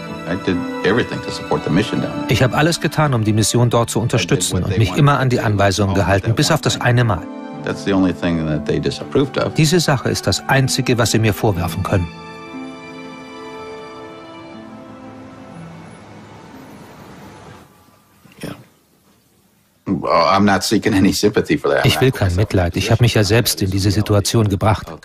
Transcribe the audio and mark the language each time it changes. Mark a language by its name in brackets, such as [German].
[English] I did everything to support the mission down there. [German] Ich habe alles getan, um die Mission dort zu unterstützen und mich immer an die Anweisungen gehalten, bis auf das eine Mal. [English] That's the only thing that they disapproved of. [German] Diese Sache ist das Einzige, was sie mir vorwerfen können. Ich will kein Mitleid. Ich habe mich ja selbst in diese Situation gebracht.